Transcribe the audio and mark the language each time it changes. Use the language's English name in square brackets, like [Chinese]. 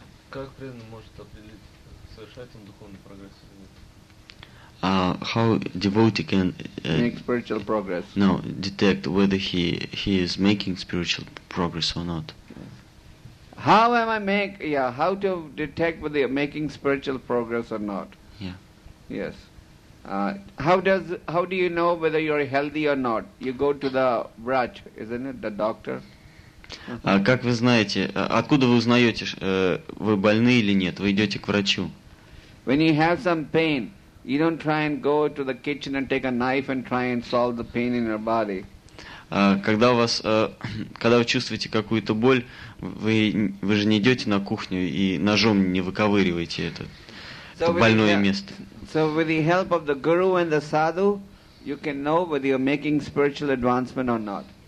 [Russian] Как преданный может определить, совершает он духовный прогресс или нет? [English] How devotee can make spiritual progress? No, detect whether he is making spiritual progress or not. Yes. How am I make? Yeah, how to detect whether you're making spiritual progress or not? Yeah. Yes. How do you know whether you're healthy or not? You go to the vraj, isn't it, the doctor? [Russian] Как вы знаете, откуда вы узнаете, вы больны или нет? Вы идете к врачу. [English] When you have some pain, you don't try and go to the kitchen and take a knife and try and solve the pain in your body. [Russian] Когда вы чувствуете какую-то боль, вы же не идете на кухню и ножом не выковыриваете это больное место. [English] So with the help of the guru and the sadhu, you can know whether you're making spiritual advancement or not.